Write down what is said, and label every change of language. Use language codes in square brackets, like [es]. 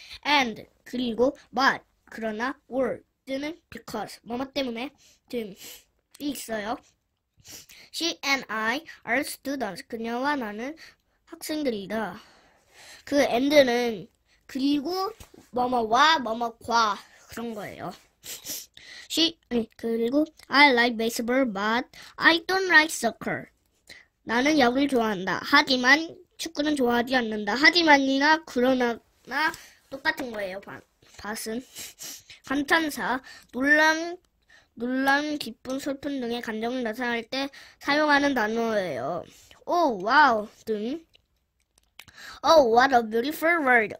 [ko] And, 그리고, but, 그러나, or, 또는 because, 뭐뭐 때문에 등이 있어요. [en] She and I are students. [ko] 그녀와 나는 학생들이다. 그 and는 그리고 뭐뭐와 뭐뭐과 그런 거예요. [en] She [ko] 아니 그리고 [en] I like baseball, but I don't like soccer. [ko] 나는 야구를 좋아한다. 하지만 축구는 좋아하지 않는다. 하지만이나 그러나나 똑같은 거예요. 밭은 감탄사 놀람, 기쁨, 슬픔 등의 감정을 나타낼 때 사용하는 단어예요. 오, 와우 등. 오, [en] what a beautiful world.